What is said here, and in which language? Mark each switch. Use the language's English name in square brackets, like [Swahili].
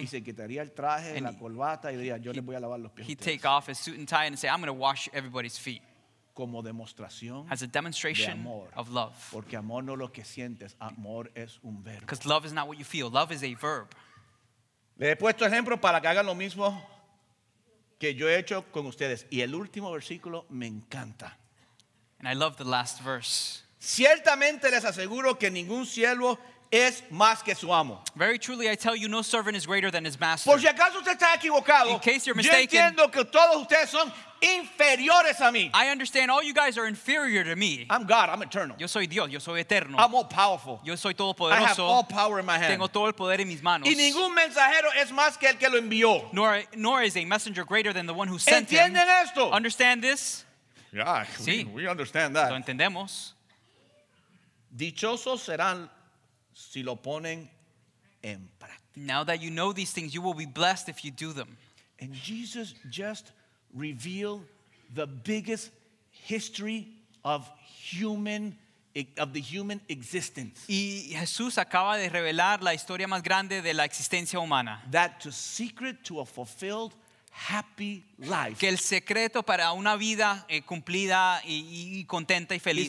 [Spanish] Y se quitaría el traje, la corbata y diría, yo les voy a lavar los pies. [English] He'd take off his suit and tie and say, I'm going to wash everybody's feet. [Spanish] Como demostración [English] as a demonstration [Spanish] de amor. [English] Of love. [Spanish] Porque amor no es lo que sientes, amor es un verbo. [English] Because love is not what you feel, love is a verb. [Spanish] Le he puesto ejemplo para que hagan lo mismo que yo he hecho con ustedes. Y el último versículo me encanta. [English] And I love the last verse. [Spanish] Ciertamente les aseguro que ningún siervo es más que su amo. [English] Very truly I tell you, no servant is greater than his master. [Spanish] Por si acaso usted está equivocado, [English] in case you're mistaken, [Spanish] yo entiendo que todos ustedes son inferiores a mí. [English] I understand all you guys are inferior to me. I'm God, I'm eternal. [Spanish] Yo soy Dios, yo soy eterno. [English] I'm all powerful. [Spanish] Yo soy todopoderoso. [English] I have all power in my hand. [Spanish] Tengo todo el poder en mis manos. Y ningún mensajero es más que el que lo envió. [English] Nor is a messenger greater than the one who sent him. [Spanish] ¿Entienden esto? [English] Understand this? Yeah, [Spanish] sí. [English] We understand that. [Spanish] Lo entendemos. Dichosos serán si lo ponen en práctica. [English] Now that you know these things, you will be blessed if you do them. And Jesus just revealed the biggest history of the human existence. [Spanish] Y Jesús acaba de revelar la historia más grande de la existencia humana. [English] That to secret to a fulfilled happy life. [Spanish] Que el secreto para una vida cumplida y contenta y feliz.